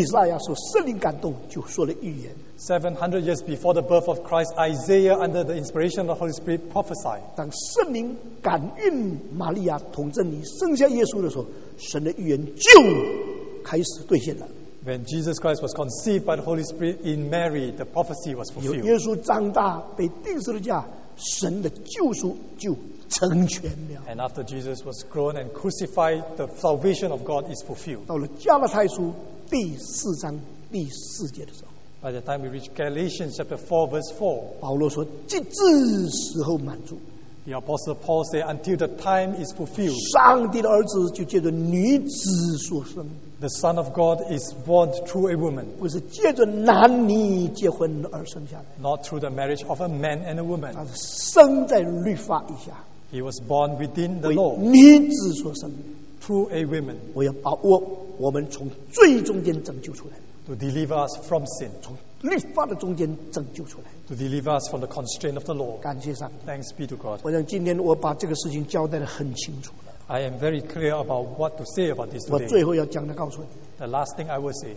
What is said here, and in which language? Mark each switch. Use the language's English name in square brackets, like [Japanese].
[Chinese] 耶稣降生1700年，以赛亚受圣灵感动，就说了预言。 [English] 700 years before the birth of Christ, Isaiah, under the inspiration of the Holy Spirit, prophesied. [Chinese] 当圣灵感孕玛利亚，童贞妮，生下耶稣的时候，神的预言就开始兑现了。 [English] When Jesus Christ was conceived by the Holy Spirit in Mary, the prophecy was fulfilled. [Chinese] 有耶稣长大被钉十字架，神的救赎就成全了。 [English] And after Jesus was grown and crucified, the salvation of God is fulfilled. [Chinese] 到了加拉太书第4章第4节的时候， [English] By the time we reach Galatians chapter 4 verse 4, [Chinese] 保罗说，至时候满足。 [English] The Apostle Paul said, until the time is fulfilled, [Chinese] 上帝的儿子就借着女子所生。 [English] The Son of God is born through a woman. [Chinese] 不是借着男女结婚而生下来, [English] not through the marriage of a man and a woman. [Chinese] 他是生在律法以下, [English] he was born within the law. [Chinese] 为女子所生, [English] through a woman. [Chinese] 我们从罪中间拯救出来, [English] to deliver us from sin. [Chinese] 从律法的中间拯救出来, [English] to deliver us from the constraint of the law. [Chinese] 感谢上帝, [English] thanks be to God. [Chinese] 我想今天我把这个事情交代得很清楚, [English] I am very clear about what to say about this today. [Chinese] 我最后要讲的告诉你, [English] the last thing I will say.